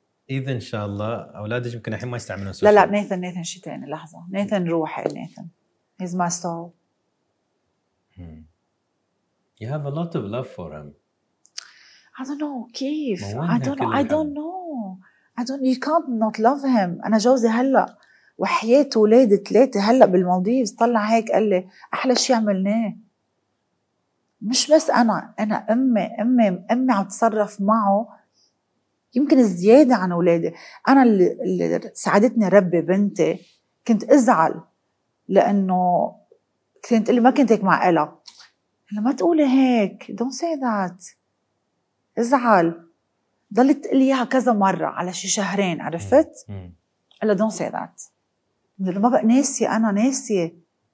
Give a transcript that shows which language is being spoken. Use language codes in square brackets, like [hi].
[ar] إذا إن شاء الله أولادك يمكن الحين ما يستعملون السوشيال. لا لا نيثن نيثن شي تاني لحظة نيثن روحي نيثن [en] he's my soul. You have a lot of love for him. I don't know [ar] كيف [en] I don't know you can't not love him. [ar] أنا جوزي هلا وحيات ولاد ثلاثة هلا بالمالديف طلع هيك قال لي أحلى شي عملناه. مش بس أنا أمي عم تصرف معه يمكن زيادة عن أولادي. أنا اللي ساعدتني ربي بنتي كنت أزعل لأنه كنت اللي ما كنت هيك مع إلا هلا ما تقولي هيك [en] don't say that [ar] أزعل ضلت تقليها كذا مرة على شي شهرين عرفت إلا don't say that ما بقى ناسية أنا ناسية.